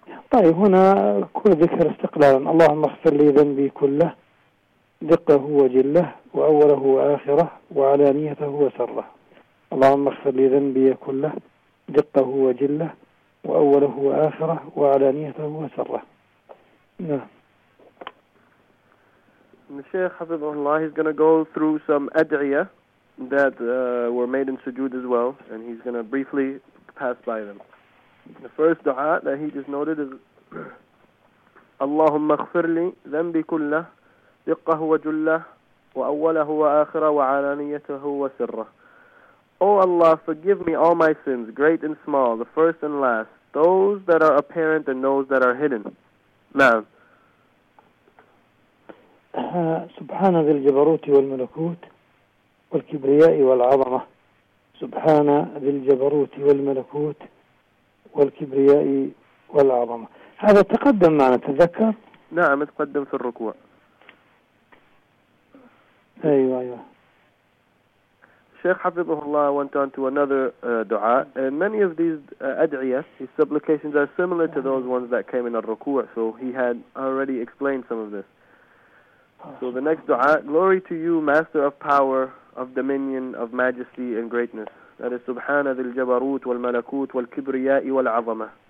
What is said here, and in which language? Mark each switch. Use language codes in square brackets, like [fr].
[ar] طيب هنا كل ذكر استقلالا، اللهم اغفر لي ذنبي كله دقه وجله وأوله وآخره وعلانيته وسره، اللهم اغفر لي ذنبي كله دقه وجله وأوله وآخره وعلانيته وسره. نعم. الشيخ حفظه الله [en] is going to go through some أدعية that were made in sujood as well, and he's going to briefly pass by them. The first dua that he just noted is [ar] اللهم اغفر لي ذنبي كله دقه وجله وأوله وآخره وعلانيته وسره. [en] O Allah, forgive me all my sins, great and small, the first and last, those that are apparent and those that are hidden. [ar] نعم. سبحان ذي الجبروت والملكوت والكبرياء والعظمة. سبحان ذي الجبروت والملكوت والكبرياء والعظمة. هذا تقدم معنا، تذكر؟ نعم، تقدم في الركوع. أيوة. [en] Sheikh Hafidhullah went on to another dua, and many of these ad'iyah, these supplications, are similar to those ones that came in al-ruku', so he had already explained some of this. So the next dua, glory to you, master of power, of dominion, of majesty and greatness. That is [ar] Subhana ذي الجبروت والملكوت والكبرياء والعظمة.